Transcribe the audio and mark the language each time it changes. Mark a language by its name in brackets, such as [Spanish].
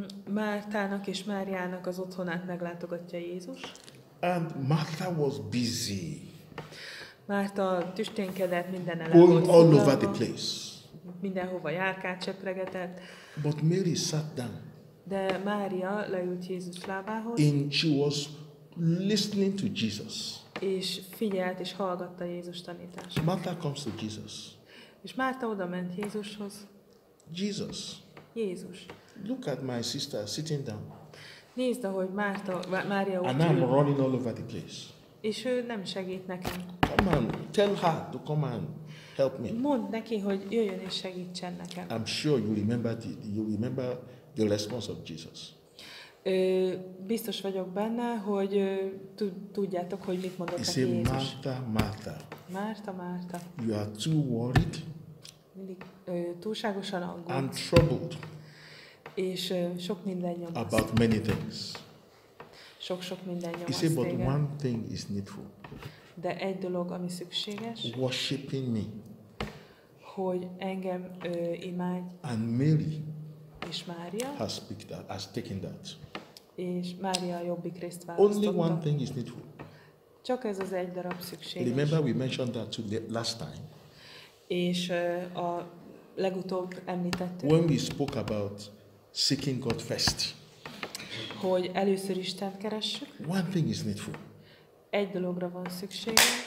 [Hungarian] Mártának és Máriának az otthonát meglátogatja Jézus. [English] And Martha was busy. [Hungarian] Márta tüsténkedett minden elem. [English] Going all over the place. [Hungarian] Mindenhova járkált, csepregetett. [English] But Mary sat down. [Hungarian] De Mária leült Jézus lábához. [English] And she was listening to Jesus. [Hungarian] És figyelt és hallgatta Jézus tanítását. [English] Martha comes to Jesus. [Hungarian] És Márta oda ment Jézushoz. [English] Jesus. [Hungarian] Jézus. [English] Look at my sister sitting down. [Hungarian] Nézd, ahogy Márta, Mária ott ül. [English] And I'm running all over the place. [Hungarian] És ő nem segít nekem. [English] Come on, tell her to come and help me. [Hungarian] Mondd neki, hogy jöjjön és segítsen nekem. [English] I'm sure you remember the response of Jesus. [Hungarian] Biztos vagyok benne, hogy tudjátok, hogy mit mondott neki Jézus. Márta, Márta. Márta, Márta. [English] You are too worried. [Hungarian] Túlságosan aggódsz. [English] And troubled. [Hungarian] És sok minden nyomaszt. [English] About many things. [Hungarian] Sok-sok minden nyomaszt. [English] You see, but one thing is needful. [Hungarian] De egy dolog, ami szükséges. [English] Worshiping me. [Hungarian] Hogy engem imádj. [English] And Mary. [Hungarian] És Mária. [English] Has taken that. [Hungarian] És Mária a jobbik részt választotta. [English] Only one thing is needful. [Hungarian] Csak ez az egy darab szükséges. [English] Remember, we mentioned that too last time. [Hungarian] És a legutóbb említettük. [English] When we spoke about seeking God first. [Hungarian] Hogy először Istent keressük. [English] One thing is needful. [Hungarian] Egy dologra van szüksége.